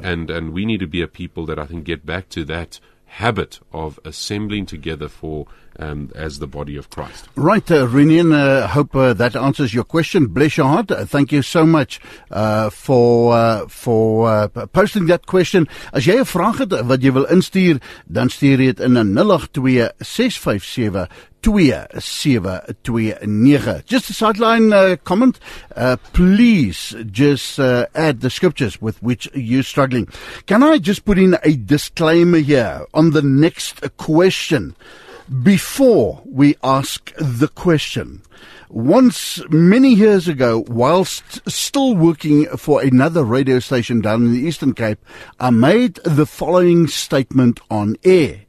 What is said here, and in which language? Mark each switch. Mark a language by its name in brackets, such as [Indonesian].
[English] And we need to be a people that, I think, get back to that habit of assembling together for as the body of Christ. Right, Renian, I hope that answers your question. Bless your heart. Thank you so much for posting that question. [Afrikaans] As jy 'n vraag het wat jy wil instuur, dan stuur jy dit in 082-657-2729. [English] Just a sideline comment. Please just add the scriptures with which you're struggling. Can I just put in a disclaimer here on the next question? before we ask the question. Once, many years ago, whilst still working for another radio station down in the Eastern Cape, I made the following statement on air.